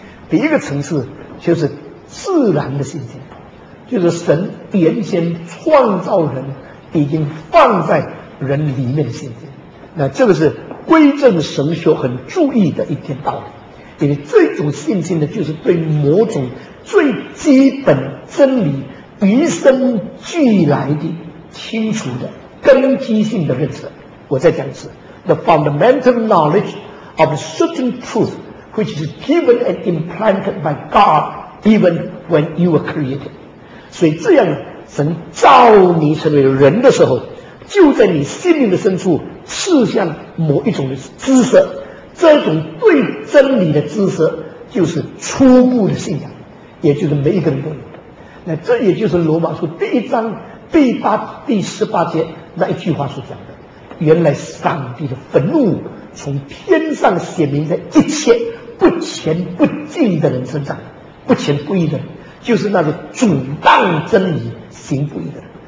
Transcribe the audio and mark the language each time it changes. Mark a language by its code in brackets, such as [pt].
[zh] 第一个层次就是自然的信心，就是神原先创造人已经放在人里面的信心。那这个是归正神学很注意的一点道理，因为这种信心呢，就是对某种最基本真理与生俱来的清楚的根基性的认识。我再讲一次， [en] The fundamental knowledge of certain truth which is given and implanted by God even when you were created。 [zh] 所以这样神造你成为人的时候，就在你心灵的深处赐下某一种的知识，这种对真理的知识就是初步的信仰，也就是每一个人都有。那这也就是罗马书第一章第八第十八节那一句话所讲的，原来上帝的愤怒从天上显明在一切不虔不敬的人身上，不虔不义的人，就是那个阻挡真理行不义的人。